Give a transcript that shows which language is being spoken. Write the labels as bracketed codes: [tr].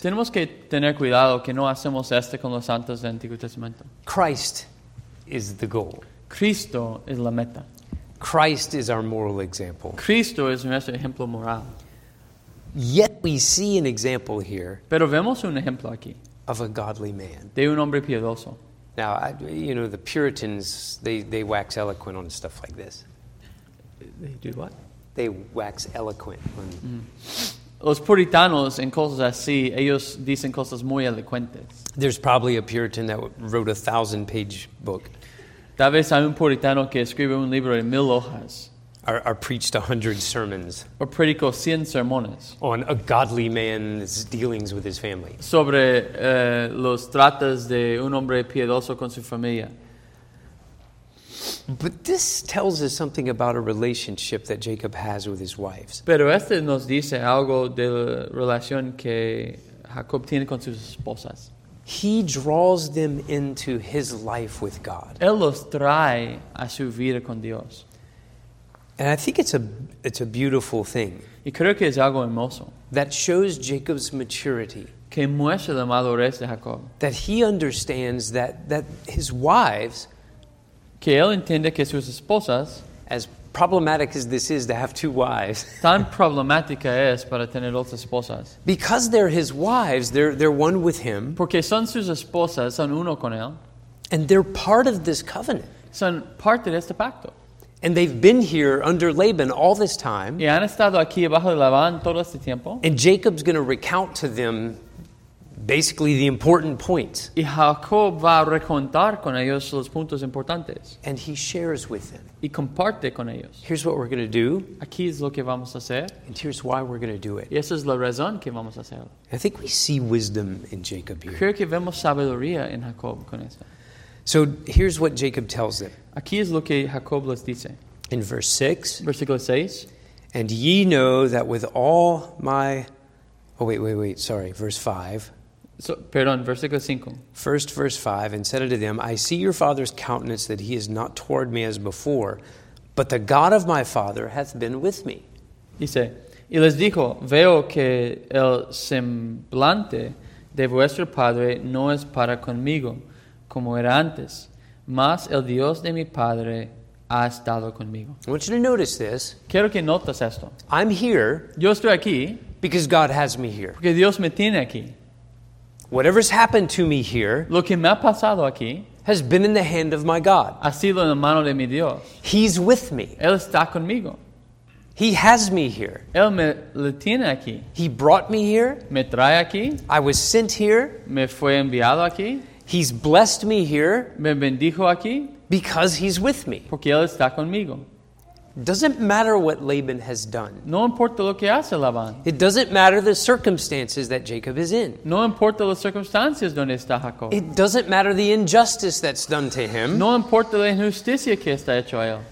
[es] Tenemos que tener cuidado que no hacemos esto con los santos del Antiguo Testamento. [en] Christ is the goal. [es] Cristo es la meta. [en] Christ is our moral example. [es] Cristo es nuestro ejemplo moral. [en] Yet we see an example here. [es] Pero vemos un ejemplo aquí. [en] Of a godly man. [es] De un hombre piadoso. [en] Now, you know, the Puritans, they wax eloquent on stuff like this. They do what? They wax eloquent on. [es] Los puritanos en cosas así, ellos dicen cosas muy elocuentes. [en] There's probably a Puritan that wrote a 1,000-page book. [es] Tal vez hay un puritano que escribe un libro de 1,000 hojas. [en] Or preached 100 sermons. [es] O predicó 100 sermones. [en] On a godly man's dealings with his family. [es] Sobre los tratos de un hombre piadoso con su familia. [en] But this tells us something about a relationship that Jacob has with his wives. [es] Pero este nos dice algo de la relación que Jacob tiene con sus esposas. [en] He draws them into his life with God. [es] Él los trae a su vida con Dios. [en] And I think it's a beautiful thing. [es] Y creo que es algo hermoso. [en] That shows Jacob's maturity. [es] Que muestra la madurez de Jacob. [en] That he understands that his wives, [es] que él entiende que sus esposas, [en] as problematic as this is to have two wives, [es] tan problemática es para tener dos esposas, [en] because they're his wives, they're one with him, [es] porque son sus esposas, son uno con él, [en] and they're part of this covenant, [es] son parte de este pacto, [en] and they've been here under Laban all this time, [es] y han estado aquí bajo Labán todo este tiempo, [en] and Jacob's going to recount to them basically the important points. [es] Y Jacob va a recontar con ellos los puntos importantes. [en] And he shares with them. [es] Y comparte con ellos. [en] Here's what we're going to do. [es] Aquí es lo que vamos a hacer. [en] And here's why we're going to do it. [es] Y esa es la razón que vamos a hacerlo. [en] I think we see wisdom in Jacob here. [es] Creo que vemos sabiduría en Jacob con eso. [en] So here's what Jacob tells them. [es] Aquí es lo que Jacob les dice. [en] In verse 6. [es] Versículo 6. [en] And ye know that with all my... Oh, wait. Sorry. Verse 5. [es] So, perdón, versículo 5. [en] First verse 5, and said unto them, I see your father's countenance that he is not toward me as before, but the God of my father hath been with me. [es] Dice, y les dijo, veo que el semblante de vuestro padre no es para conmigo, como era antes, mas el Dios de mi padre ha estado conmigo. [en] I want you to notice this. [es] Quiero que notas esto. [en] I'm here. [es] Yo estoy aquí. [en] Because God has me here. [es] Porque Dios me tiene aquí. [en] Whatever's happened to me here, [es] lo que me ha pasado aquí, [en] has been in the hand of my God. [es] Ha sido en la mano de mi Dios. [en] He's with me. [es] Él está conmigo. [en] He has me here. [es] Él me lo tiene aquí. [en] He brought me here. [es] Me trae aquí. [en] I was sent here. [es] Me fue enviado aquí. [en] He's blessed me here. [es] Me bendijo aquí. [en] Because he's with me. [es] Porque él está conmigo. [en] doesn't matter what Laban has done. [es] No importa lo que hace Laban. [en] It doesn't matter the circumstances that Jacob is in. [es] No importa las circunstancias donde está Jacob. [en] It doesn't matter the injustice that's done to him. [es] No importa la injusticia que está hecho a él.